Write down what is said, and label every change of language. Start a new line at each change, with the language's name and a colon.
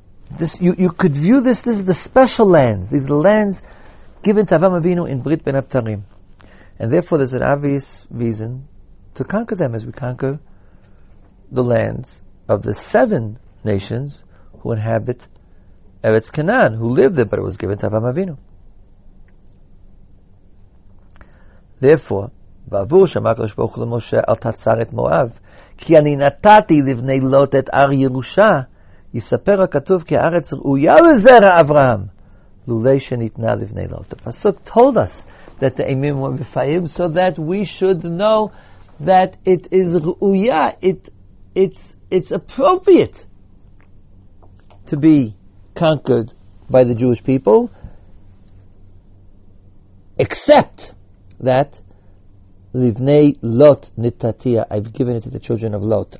English: This you could view this. This is the special lands. These are the lands given to Avraham Avinu in Brit Bein Abtarim, and therefore there's an obvious reason to conquer them, as we conquer the lands of the seven nations who inhabit Eretz Canaan, who lived there, but it was given to Avraham Avinu. Therefore,
Hebrew: ועבור שאמר הקדוש ברוך הוא למשה אל תצר את מואב כי אני נתתי לבני לוט את הר ירושה יספר הכתוב כי הארץ ראויה לזרע אברהם לולי שניתנה לבני לוט.
English: The pasuk told us that the Emim were Rephaim so that we should know that it is ראויה, it's appropriate to be conquered by the Jewish people, except that
Hebrew: Livnei Lot Nitatia,
English: I've given it to the children of Lot.